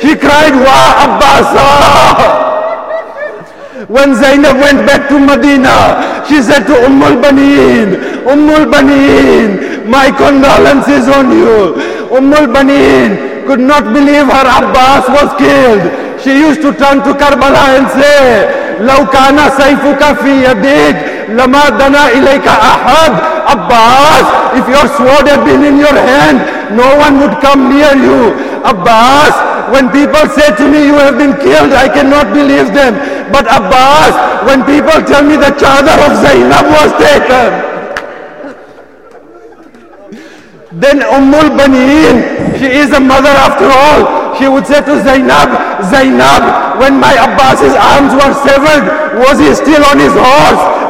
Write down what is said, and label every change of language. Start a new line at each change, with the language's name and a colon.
English: She cried, Wa Abbasa. When Zainab went back to Medina, she said to Ummul Baneen, Ummul Baneen, my condolences on you. Ummul Baneen could not believe her Abbas was killed. She used to turn to Karbala and say,
Arabic: لو كان سيفك في يديك لما دنا إليك أحد.
English: Abbas, if your sword had been in your hand, no one would come near you. Abbas, when people say to me you have been killed, I cannot believe them. But Abbas, when people tell me the chadar of Zainab was taken, then Ummul Baneen, she is a mother after all, she would say to Zainab, Zainab, when my Abbas's arms were severed, was he still on his horse?